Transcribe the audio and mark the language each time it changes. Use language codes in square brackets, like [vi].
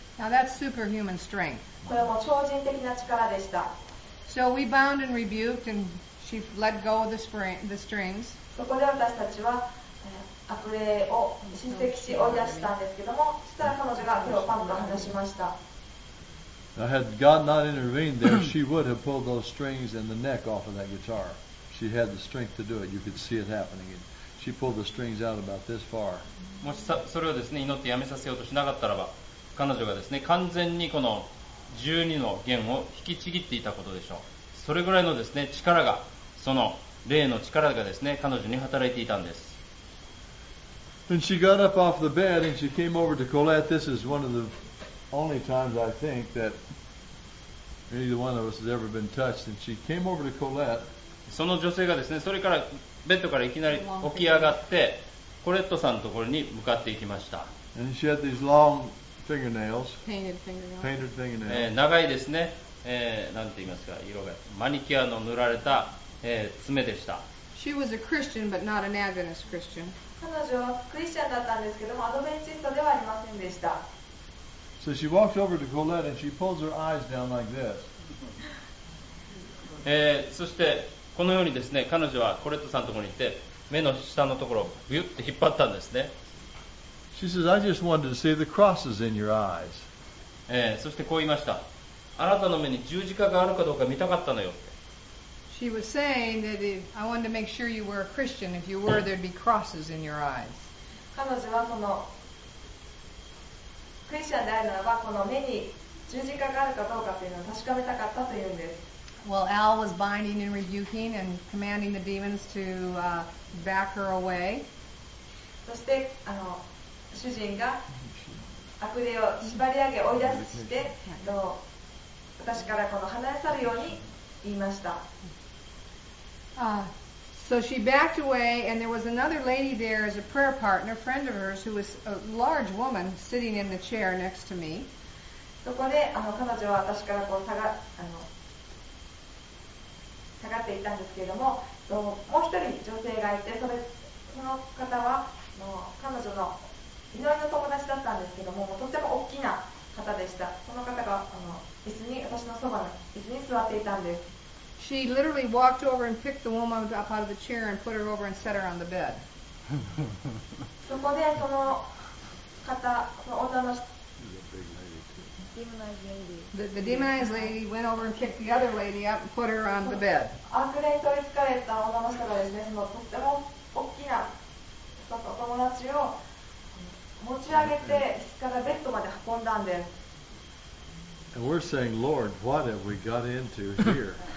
[en] Now that's superhuman strength. [ja] これも超人的な力でした。 [en] So we bound and rebuked and she let go of the strings. [ja] そこで私たちは悪霊を叱責し追い出したんですけども、そしたら彼女が手をパンと離しました。 [en] Now, had God not intervened there, she would have pulled those strings and the neck off of that guitar. She had the strength to do it. You could see it happening. She pulled the strings out about this far. [ja] もしそれをですね、祈ってやめさせようとしなかったらば、彼女がですね、完全にこの12の弦を引きちぎっていたことでしょう。それぐらいのですね、力が、その霊の力がですね、彼女に働いていたんです。 [en] And she got up off the bed and she came over to Colette. This is one of the only times I think that either one of us has ever been touched. And she came over to Colette. [ja] その女性がですね、それからベッドからいきなり起き上がって、コレットさんのところに向かっていきました。 [en] And she had these long fingernails. Painted fingernails. Painted fingernails. [ja] 長いですね、なんて言いますか、色が。マニキュアの塗られた、爪でした。 [en] She was a Christian, but not an Adventist Christian. [ja] 彼女はクリスチャンだったんですけども、アドベンチストではありませんでした。 [en] So she walked over to Colette and she pulls her eyes down like this. [ja] そしてこのようにですね、彼女はコレットさんのところに行って、目の下のところをビュッて引っ張ったんですね。 [en] She says, I just wanted to see the crosses in your eyes. [ja] そしてこう言いました。あなたの目に十字架があるかどうか見たかったのよ。 [en] She was saying that I wanted to make sure you were a Christian. If you were, there'd be crosses in your eyes. [ja] 彼女はそのクリスチャンであるならば、この目に十字架があるかどうかというのを確かめたかったというんです。 [en] Well, Al was binding and rebuking and commanding the demons to back her away. [ja] そして、主人が悪霊を縛り上げ、追い出して、私からこの離れ去るように言いました。 [en] So she backed away, and there was another lady there as a prayer partner, a friend of hers, who was a large woman sitting in the chair next to me. [ja] そこで彼女は私からこう下がっていたんですけれども、もう一人女性がいて、その方は彼女の祈りの友達だったんですけども、とっても大きな方でした。その方が椅子に私のそばの椅子に座っていたんです。 [en] She literally walked over and picked the woman up out of the chair and put her over and set her on the bed. [ja] そこでその方、その女の [en] The demonized lady went over and picked the other lady up and put her on the bed. [ja] 悪霊に取り憑かれた女の人がですね、そのとても大きな友達を持ち上げて、椅子からベッドまで運んだんです。 [en] And we're saying, Lord, what have we got into here?